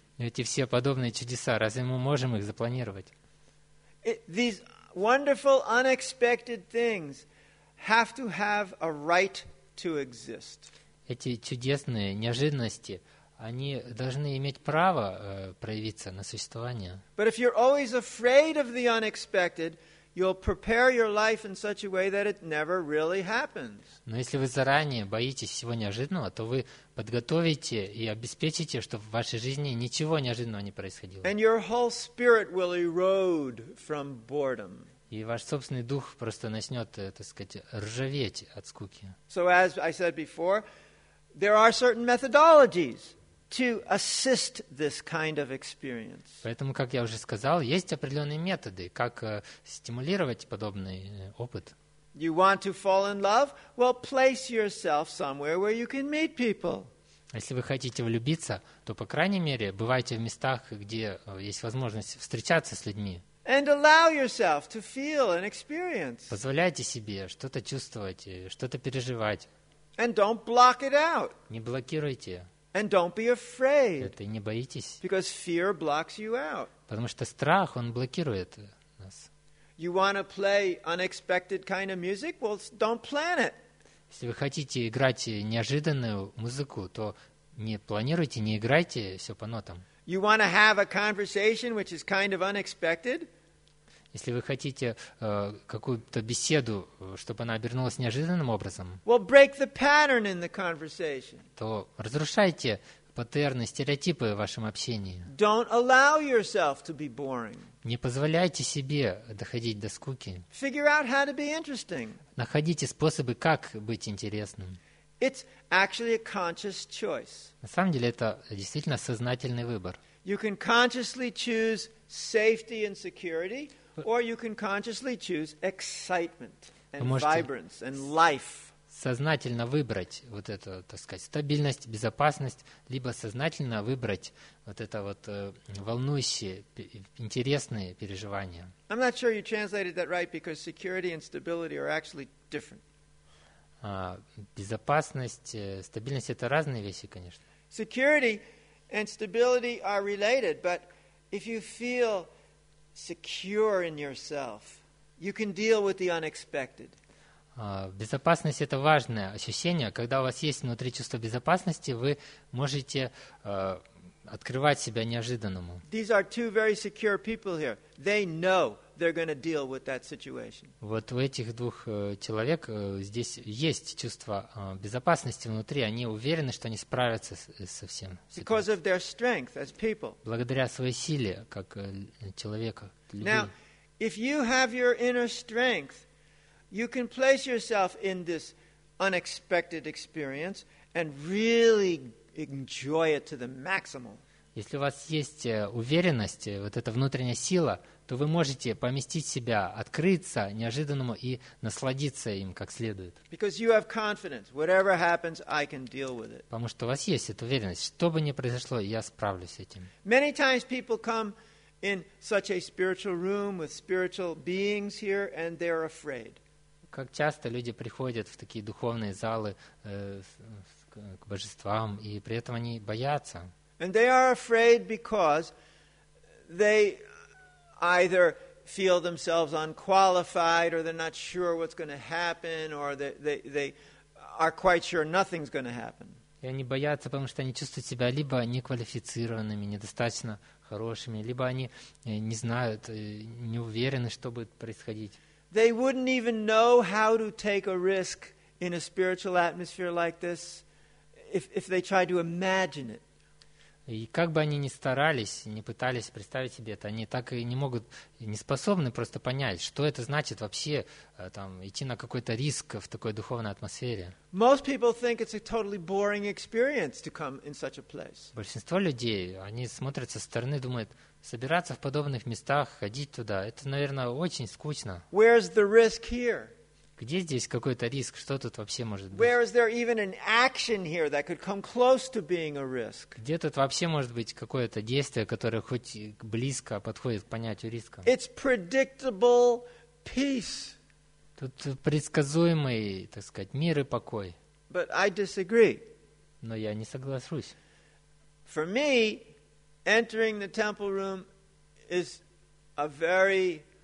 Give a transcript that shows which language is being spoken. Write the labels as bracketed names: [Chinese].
[Russian] Эти все подобные чудеса, разве мы можем их запланировать? [English] These wonderful unexpected things have to have a right to exist. [Russian] Эти чудесные неожиданности, они должны иметь право проявиться на существование. [English] But if you're always afraid of the unexpected, you'll prepare your life in such a way that it never really happens. [Russian] Но если вы заранее боитесь всего неожиданного, то вы подготовите и обеспечите, чтобы в вашей жизни ничего неожиданного не происходило. [English] And your whole spirit will erode from boredom. [Russian] И ваш собственный дух просто начнет, так сказать, ржаветь от скуки. [English] So as I said before, there are certain methodologies to assist this kind of experience. [Russian] Поэтому, как я уже сказал, есть определенные методы, как стимулировать подобный опыт. [English] You want to fall in love? Well, place yourself somewhere where you can meet people. [Russian] Если вы хотите влюбиться, то по крайней мере бывайте в местах, где есть возможность встречаться с людьми. [English] And allow yourself to feel and experience. [Russian] Позволяйте себе что-то чувствовать, что-то переживать. [English] And don't block it out. [Russian] Не блокируйте. [English] And don't be afraid. [Russian] Это не боитесь. [English] Because fear blocks you out. [Russian] Потому что страх, он блокирует нас. [English] You want to play unexpected kind of music? Well, don't plan it. [Russian] Если вы хотите играть неожиданную музыку, то не планируйте, не играйте все по нотам. [English] You want to have a conversation which is kind of unexpected? [Russian] Если вы хотите какую-то беседу, чтобы она обернулась неожиданным образом, [English] well, break the pattern in the conversation. [Russian] То разрушайте паттерны, стереотипы в вашем общении. [English] Don't allow yourself to be boring. [Russian] Не позволяйте себе доходить до скуки. [English] Figure out how to be interesting. [Russian] Находите способы, как быть интересным. [English] It's actually a conscious choice. [Russian] На самом деле, это действительно сознательный выбор. [English] You can consciously choose safety and security. Or you can consciously choose excitement and vibrance and life. [Russian] Сознательно выбрать вот это, так сказать, стабильность, безопасность, либо сознательно выбрать вот это вот волнующие, интересные переживания. [English] I'm not sure you translated that right because security and stability are actually different. [Russian] Безопасность, стабильность — это разные вещи, конечно. [English] Security and stability are related, but if you feel secure in yourself, you can deal with the unexpected. [Russian] Безопасность — это важное ощущение. Когда у вас есть внутри чувство безопасности, вы можете открывать себя неожиданному. [English] These are two very secure people here. They know they're going to deal with that situation. [Russian] Вот у этих двух человек здесь есть чувство безопасности внутри. Они уверены, что они справятся со всем. [English] Because of their strength as people. [Russian] Благодаря своей силе как человека. [English] Now, if you have your inner strength, you can place yourself in this unexpected experience and really enjoy it to the maximum. [Russian] Если у вас есть уверенность, вот эта внутренняя сила, то вы можете поместить себя, открыться неожиданному и насладиться им как следует. [English] Because you have confidence, whatever happens, I can deal with it. [Russian] Потому что у вас есть эта уверенность, что бы ни произошло, я справлюсь с этим. [English] Many times people come in such a spiritual room with spiritual beings here, and they're afraid. [Russian] Как часто люди приходят в такие духовные залы к божествам, и при этом они боятся. [English] And they are afraid because they either feel themselves unqualified, or they're not sure what's going to happen, or they are quite sure nothing's going to happen. [Russian] И они боятся, потому что они чувствуют себя либо неквалифицированными, недостаточно хорошими, либо они не знают, не уверены, что будет происходить. [English] They wouldn't even know how to take a risk in a spiritual atmosphere like this if they tried to imagine it. [Russian] И как бы они ни старались, не пытались представить себе это, они так и не могут, не способны просто понять, что это значит вообще там, идти на какой-то риск в такой духовной атмосфере. [English] Most people think it's a totally boring experience to come in such a place. [Russian] Большинство людей, они смотрят со стороны, думают, собираться в подобных местах, ходить туда, это, наверное, очень скучно. [English] Where's the risk here? [Russian] Где здесь какой-то риск? Что тут вообще может быть? [English] Where is there even an action here that could come close to being a risk? [Russian] Где тут вообще может быть какое-то действие, которое хоть близко подходит к понятию риска? [English] It's predictable peace. [Russian] Тут предсказуемый, так сказать, мир и покой. [English] But I disagree. [Russian] Но я не соглашусь. [English] For me, entering the temple room is a very...